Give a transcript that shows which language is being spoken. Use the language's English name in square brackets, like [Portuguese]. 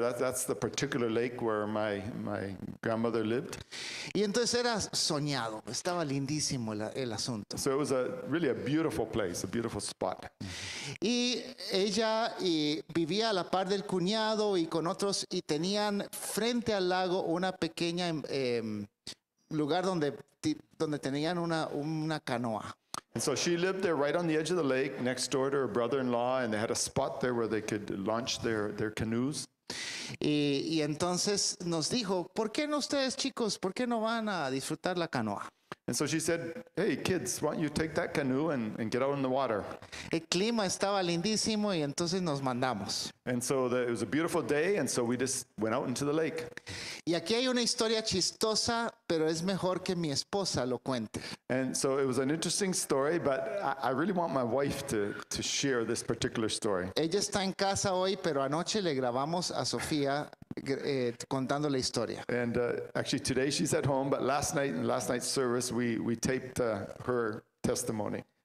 [English] That's the particular lake where my grandmother lived. [Spanish] Y entonces era soñado, estaba lindísimo el asunto. [English] So it was really a beautiful place, a beautiful spot. [Spanish] Y ella vivía a la par del cuñado y con otros y tenían frente al lago una pequeña lugar donde tenían una canoa. [English] And so she lived there right on the edge of the lake, next door to her brother-in-law, and they had a spot there where they could launch their canoes. [Spanish] Y entonces nos dijo, ¿por qué no ustedes, chicos, por qué no van a disfrutar la canoa? [English] And so she said, "Hey, kids, why don't you take that canoe and get out in the water?" [Spanish] El clima estaba lindísimo y entonces nos mandamos. [English] And so it was a beautiful day, and so we just went out into the lake. [Spanish] Y aquí hay una historia chistosa, pero es mejor que mi esposa lo cuente. [English] And so it was an interesting story, but I really want my wife to share this particular story. [Spanish] Ella está en casa hoy, pero anoche le grabamos a Sofía contando la historia. [English] And actually today she's at home, but last night's service we taped her testimony.